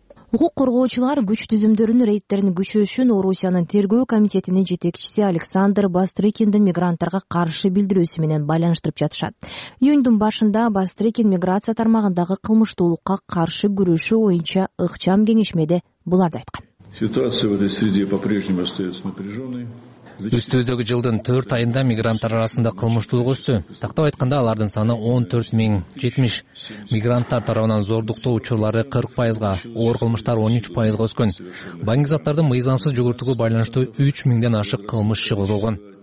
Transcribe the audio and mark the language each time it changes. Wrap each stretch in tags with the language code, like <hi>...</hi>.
<ky>Укук коргоочулар күч түзүмдөрүнүн рейдтерин күчөшүн Орусиянын тергөө комитетинин жетекчиси Александр Бастрыкиндин мигранттарга каршы билдирүүсү менен байланыштырып жатышат. Июндун башында Бастрыкин миграция тармагындагы кылмыштуулукка каршы күрөшү боюнча ыкчам кеңешмеде буларды айткан.</ky> <ru>Ситуация в этой среде по-прежнему остается напряженной.</ru> <ky>Үстөздөгү жылдын 4 айында мигранттар арасында кылмыштуулук өстү. Тактап айтканда, алардын саны 14070. Мигранттар тарабынан зордуктоо учурлары 40%, оор кылмыштар 13% өскөн. Баңгизаттардын мыйзамсыз жүгүртүүгө байланыштуу 3000 ашык кылмыш козголгон.</ky>